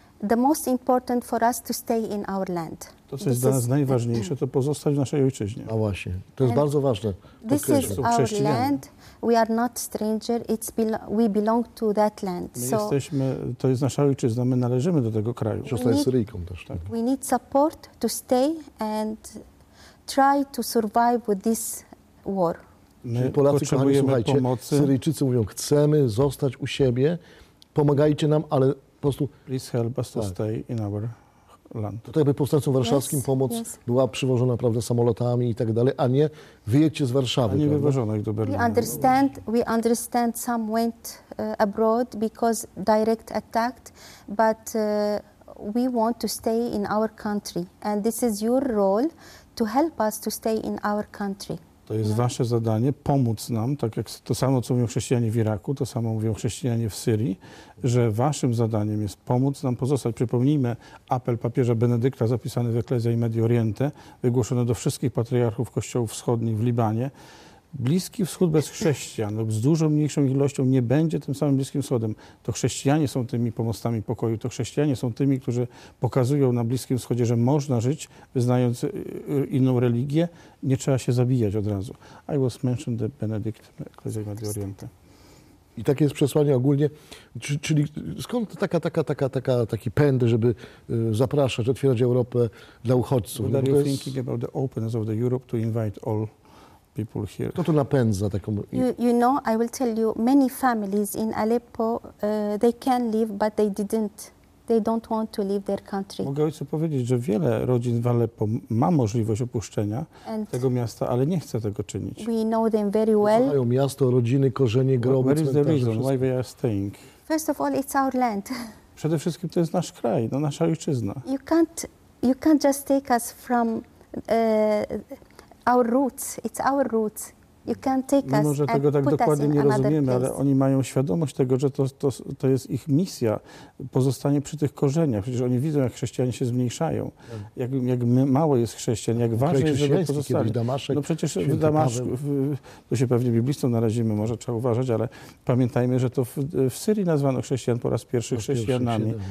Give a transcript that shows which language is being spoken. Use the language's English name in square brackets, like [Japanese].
[English] The most important for us to stay in our land. [Polish] To, co jest dla nas najważniejsze, to pozostać w naszej ojczyźnie. A właśnie, to jest bardzo ważne. [English] This is our land. We are not stranger. We belong to that land. [Polish] To jest nasza ojczyzna. My należymy do tego kraju. Siostra jest Syryjką też, tak. [English] We need support to stay and try to survive with this war. [Polish] My Polacy, potrzebujemy pomocy. Syryjczycy mówią, chcemy zostać u siebie. Pomagajcie nam, ale po prostu, [English] please help us to stay in our land. [Polish] To jakby powstańcom warszawskim pomoc była przywożona, prawda, samolotami i tak dalej, a nie wyjedźcie z Warszawy. A nie wywożono ich do Berlina. [English] We understand some went abroad because direct attacked, but we want to stay in our country. And this is your role to help us to stay in our country. [Polish] To jest wasze zadanie, pomóc nam, tak jak to samo, co mówią chrześcijanie w Iraku, to samo mówią chrześcijanie w Syrii, że waszym zadaniem jest pomóc nam pozostać. Przypomnijmy apel papieża Benedykta zapisany w Ecclesiae Medio Oriente, wygłoszony do wszystkich patriarchów kościołów wschodnich w Libanie. Bliski Wschód bez chrześcijan lub z dużo mniejszą ilością nie będzie tym samym Bliskim Wschodem. To chrześcijanie są tymi pomostami pokoju. To chrześcijanie są tymi, którzy pokazują na Bliskim Wschodzie, że można żyć, wyznając inną religię. Nie trzeba się zabijać od razu. [English] I was mentioned the Benedict Ecclesiae Medio Oriente. [Polish] I takie jest przesłanie ogólnie. Czyli skąd taki pęd, żeby zapraszać, otwierać Europę dla uchodźców? [English] What are you thinking about the openness of the Europe to invite all people here? [Polish] To napędza taką... [English] You know, I will tell you, many families in Aleppo, they can leave, but they didn't. They don't want to leave their country. [Polish] Mogę ojcu powiedzieć, że wiele rodzin w Aleppo ma możliwość opuszczenia and tego miasta, ale nie chce tego czynić. [English] We know them very well. [Polish] Znają miasto, rodziny, korzenie, groby. [English] Where is the reason why they are staying? First of all, it's our land. [Polish] Przede wszystkim to jest nasz kraj, no, nasza ojczyzna. [English] You can't just take us from our roots. It's our roots. You can take us. [Polish] Może tego tak dokładnie nie rozumiemy, ale oni mają świadomość tego, że to jest ich misja, pozostanie przy tych korzeniach. Przecież oni widzą, jak chrześcijanie się zmniejszają, jak mało jest chrześcijan, jak ważne jest, żeby pozostali. No przecież w Damaszku, to się pewnie biblistą narazimy, może trzeba uważać, ale pamiętajmy, że to w Syrii nazwano chrześcijan po raz pierwszy chrześcijanami.